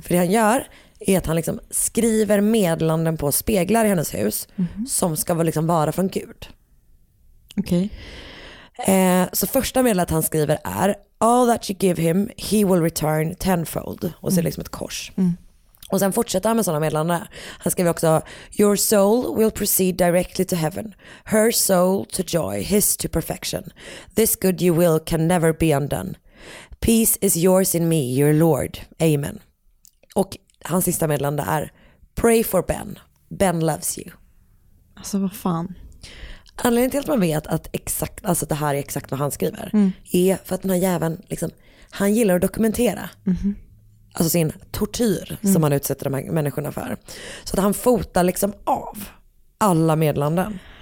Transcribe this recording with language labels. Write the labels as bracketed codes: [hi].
[sv] För det han gör är att han liksom skriver meddelanden på speglar i hennes hus. Mm. Som ska liksom vara från Gud. Okej. Så första meddelandet han skriver är [en] all that you give him, he will return tenfold. [sv] Och så är liksom ett kors. Mm. Och sen fortsätter han med sådana meddelanden. Han skriver också [en] your soul will proceed directly to heaven, her soul to joy, his to perfection. This good you will can never be undone. Peace is yours in me, your Lord. [sv] Amen. Och hans sista meddelande är [en] pray for Ben. Ben loves you. [sv] Alltså vad fan. Anledningen till att man vet att exakt, alltså det här är exakt vad han skriver är för att den här jäveln liksom, han gillar att dokumentera. Mm-hmm. Alltså sin tortyr som han utsätter de här människorna för. Så att han fotar liksom av alla medlanden.